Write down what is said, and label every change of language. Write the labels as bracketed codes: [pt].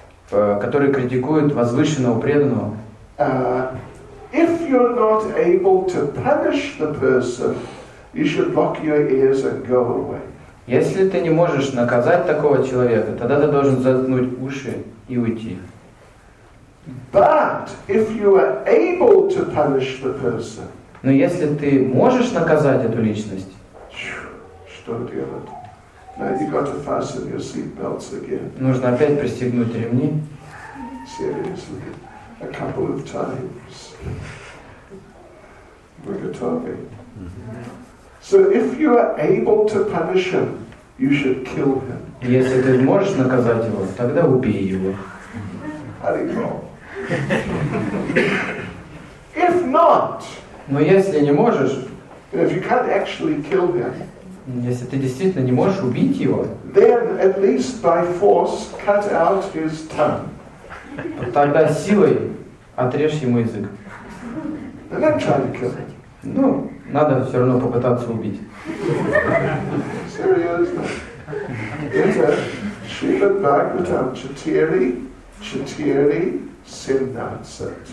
[ru] который критикует возвышенного преданного. [en] If you're not able to punish the person, you should block your ears and go away. [ru] Если ты не можешь наказать такого человека, тогда ты должен заткнуть уши и уйти. [en] But if you are able to punish the person, [ru] но если ты можешь наказать эту личность, что делать? [en] Now you've got to fasten your seat belts again. [ru] Нужно опять пристегнуть ремни. [en] Seriously, a couple of times. We're good talking. So if you are able to punish him, you should kill him. [ru] Если ты можешь наказать его, тогда убей его. [en] How do you call? If not, [ru] но если не можешь, [en] if you can't actually kill him, [ru] если ты действительно не можешь убить его, [en] then at least by force cut out his tongue. [ru] Тогда силой отрежь ему язык. [en] And then try to kill him. [ru] Ну, надо все равно попытаться убить. Серьезно? Это Шримад Бхагаватам Чатири Чатири Семнадцать.